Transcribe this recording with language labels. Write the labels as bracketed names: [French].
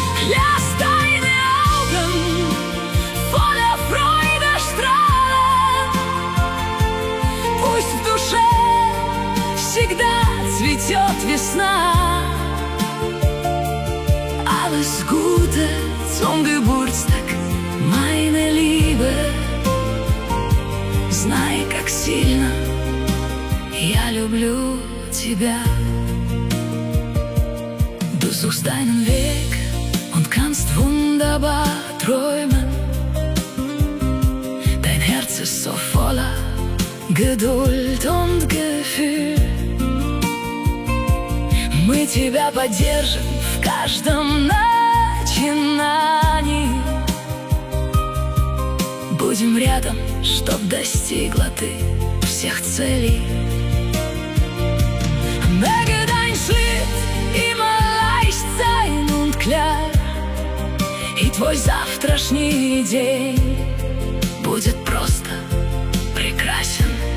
[German] Lass deine Augen voller Freude strahlen. [Russian] Пусть в душе всегда цветет весна. [German] Alles Gute zum Geburtstag, meine Liebe. [Russian] Знай, как сильно я люблю тебя. [German] Du suchst deinen Weg und kannst wunderbar träumen. Dein Herz ist so voller Geduld und Gefühl. [Russian] Мы тебя поддержим в каждом начинании. Будем рядом, чтоб достигла ты всех целей. [German] Möge dein Schritt immer leicht sein und klar. [Russian] И твой завтрашний день будет просто прекрасен.